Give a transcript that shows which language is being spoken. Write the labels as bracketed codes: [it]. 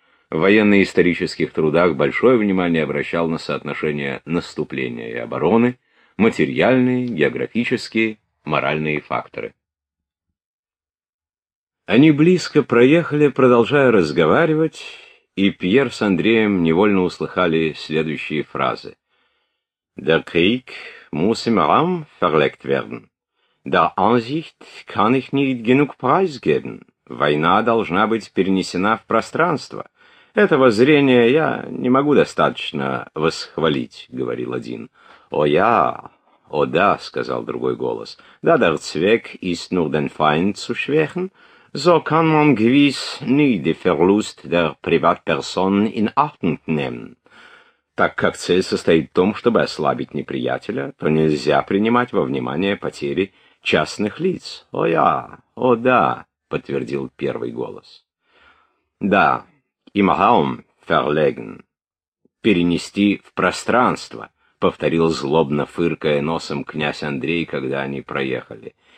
[ru] В военно-исторических трудах большое внимание обращал на соотношение наступления и обороны, материальные, географические, моральные факторы. Они близко проехали, продолжая разговаривать, и Пьер с Андреем невольно услыхали следующие фразы. [de] «Der Krieg muss im Raum verlegt werden. Der Ansicht kann ich nicht genug preisgeben. [ru] Война должна быть перенесена в пространство. Этого зрения я не могу достаточно восхвалить», — говорил один. «О, я! О, да!» — сказал другой голос. [de] «Да, der Zweck ist nur den Feind zu schwächen, so kann man gewiss nicht die Verlust der Privatperson in Achten nehmen. [ru] Так как цель состоит в том, чтобы ослабить неприятеля, то нельзя принимать во внимание потери частных лиц». «О, я! О, да!» — подтвердил первый голос. [de] «Да. Im Raum verlegen. [ru] Перенести в пространство», — повторил злобно фыркая носом князь Андрей, когда они проехали.